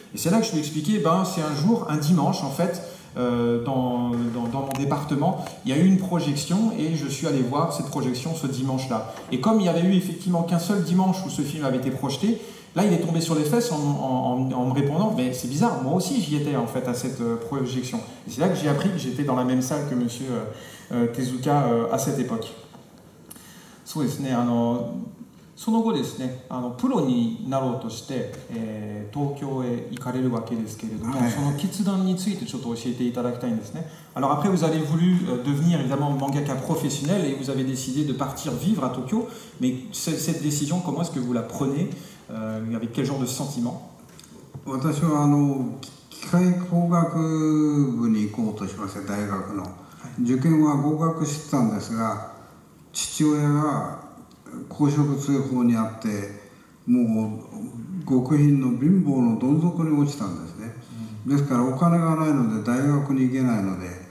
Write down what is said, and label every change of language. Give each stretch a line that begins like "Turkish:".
French: Et c'est là que je lui ai expliqué, c'est un jour, un dimanche en fait, dans mon département, il y a eu une projection et je suis allé voir cette projection ce dimanche-là. Et comme il n'y avait eu effectivement qu'un seul dimanche où ce film avait été projeté, là il est tombé sur les fesses en me répondant, mais c'est bizarre, moi aussi j'y étais en fait à cette projection. Et c'est là que j'ai appris que j'étais dans la même salle que Monsieur Tezuka à cette époque.
Japanese: そうですね、その後ですね、プロになろうとして、東京へ行かれるわけですけれども、その決断についてちょっと教えていただきたいんですね。
French: Alors après, vous avez voulu devenir évidemment mangaka professionnel et vous avez décidé de partir vivre à Tokyo, mais cette décision, comment est-ce que vous la prenez, avec quel genre de sentiment ?
Japanese: 私は機械工学部に行こうとしました、大学の。受験は合格してたんですが、父親が公職追放にあってもう極貧の貧乏のどん底に落ちたんですね、うん、ですからお金がないので大学に行けないので